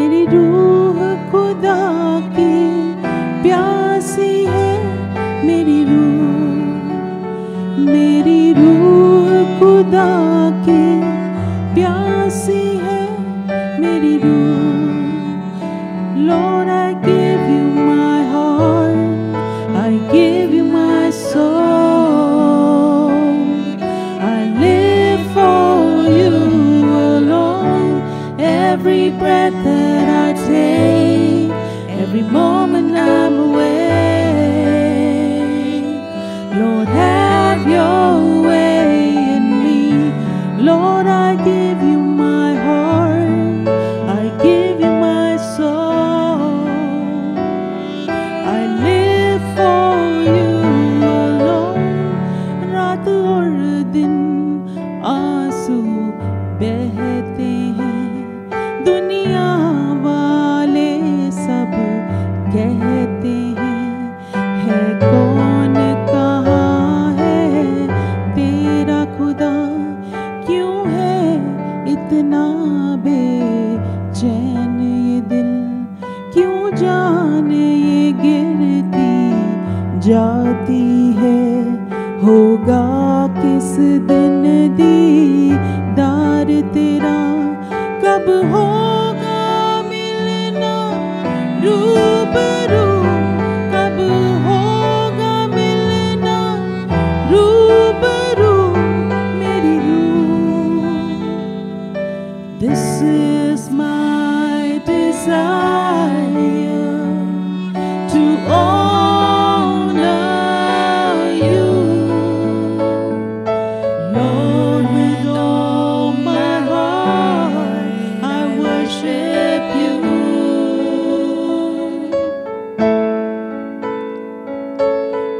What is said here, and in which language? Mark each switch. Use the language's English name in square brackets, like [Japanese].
[Hindi] रूह खुदा की प्यासी है, मेरी रूह खुदा की प्यासी है, मेरी रूह। [English] Lord, I give you my heart, I give you my soul, I live for you alone, every breath that I take, every moment I'm away. Lord, have your way in me. Lord, I give you my heart, I give you my soul, I live for you alone. [Hindi] Raat aur din aansu behte hain, duniya wale sab kehte hain, hai kaun kahan hai tera khuda, kyun hai itna बेचैन ये दिल, क्यों जाने ये गिरती जाती है, होगा किस दिन दीदार तेरा, कब होगा मिलना रूबरू, कब होगा मिलना रूबरू मेरी रूह। [English] This is my desire to honor you, Lord, with all my heart I worship you.